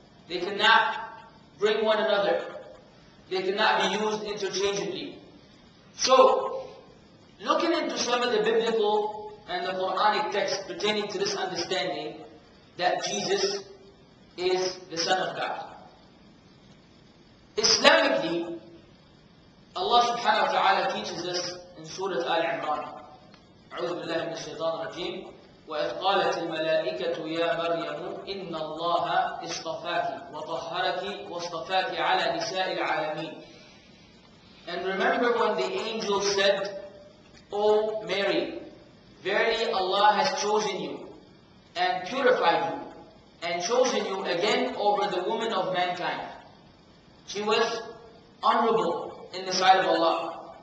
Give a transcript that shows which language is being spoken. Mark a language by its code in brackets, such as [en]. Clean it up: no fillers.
[en] They cannot bring one another. They cannot be used interchangeably. So, looking into some of the biblical and the Quranic texts pertaining to this understanding that Jesus is the Son of God. Islamically, Allah subhanahu wa ta'ala teaches us in Surah Al-Imran, [ar] أعوذ بالله من الشيطان الرجيم وإذ قالت الملائكة يا مريم إن الله اصطفاك وطهرك واصطفاك على نساء العالمين. [en] And remember when the angel said, O Mary, verily Allah has chosen you and purified you and chosen you again over the woman of mankind. She was honorable in the sight of Allah.